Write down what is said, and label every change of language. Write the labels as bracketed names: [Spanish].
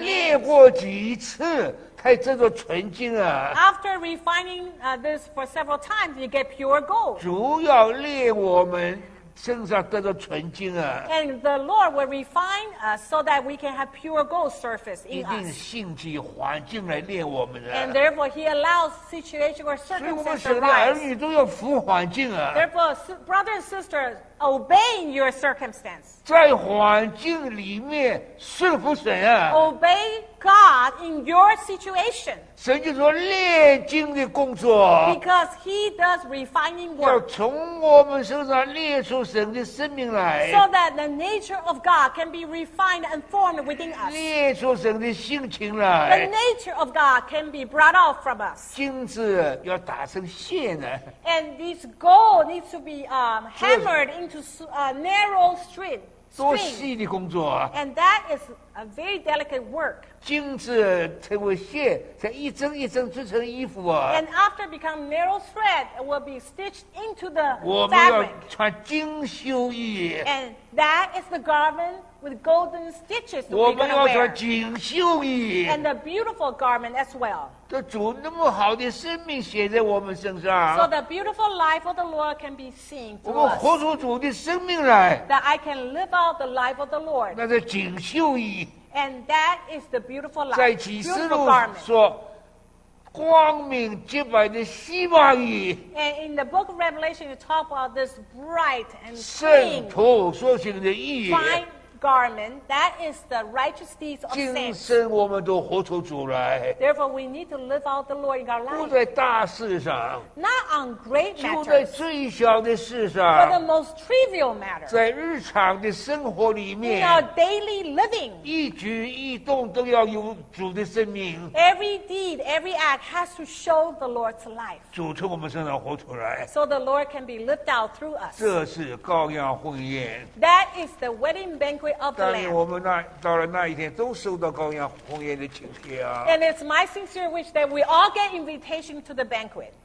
[Chinese] 炼过几次才这个纯金啊 [English] ！After refining this for several times, you get pure gold. [Chinese] 主要炼我们身上得到纯净啊。 [English] And the Lord will refine us so that we can have pure gold surface in us. [Chinese] 一定兴起环境来炼我们的。 [English] And therefore he allows situation or circumstances to rise. [Chinese] 所以我们神的儿女都要服环境啊。 [English] Therefore, brother and sister, obeying your circumstance. [Chinese] 在环境里面顺服神啊。 [English] Obey God in your situation. [Chinese] 神就说炼金的工作。 [English] Because he does refining work. [Chinese] 要从我们身上炼出神的生命来。 [English] So that the nature of God can be refined and formed within us. [Chinese] 炼出神的性情来。 [English] The nature of God can be brought out from us. [Chinese] 金子要打成线的。 [English] And this gold needs to be hammered into a narrow string. [Chinese] 多细的工作啊 [English] ！And that is a very delicate work. [Chinese] 金子成为线，才一针一针织成衣服啊 [English] ！And after become narrow thread, it will be stitched into the fabric. [Chinese] 我们要穿金绣衣。 [English] And that is the garment with golden stitches. [Chinese] 我们要穿金绣衣。 [English] And a beautiful garment as well. [Chinese] 这主那么好的生命写在我们身上。 [English] So the beautiful life of the Lord can be seen through us. [Chinese] 我们活出主的生命来。 [English] That I can live out the life of the Lord. [Chinese] 那是金绣衣。 [English] And that is the beautiful life. [Chinese] 在启示录说，光明洁白的西方衣。 [English] And in the book of Revelation, you talk about this bright and clean. [Chinese] 圣徒所行的义。 [English] Garment, that is the righteous deeds of saints. [Chinese] 今生我们都活出主来。 [English] Therefore, we need to live out the Lord in our life. [Chinese] 不在大事上。 [English] Not on great matters. [Chinese] 就在最小的事上。 [English] For the most trivial matter. [Chinese] 在日常的生活里面。 [English] In our daily living. [Chinese] 一举一动都要有主的生命。 [English] Every deed, every act has to show the Lord's life. [Chinese] 主从我们身上活出来。 [English] So the Lord can be lived out through us. [Chinese] 这是羔羊婚宴。 [English] That is the wedding banquet. [Chinese] 当然我们那到了那一天都收到羔羊婚宴的请帖啊 [English] And it's my sincere wish that we all get invitation to the banquet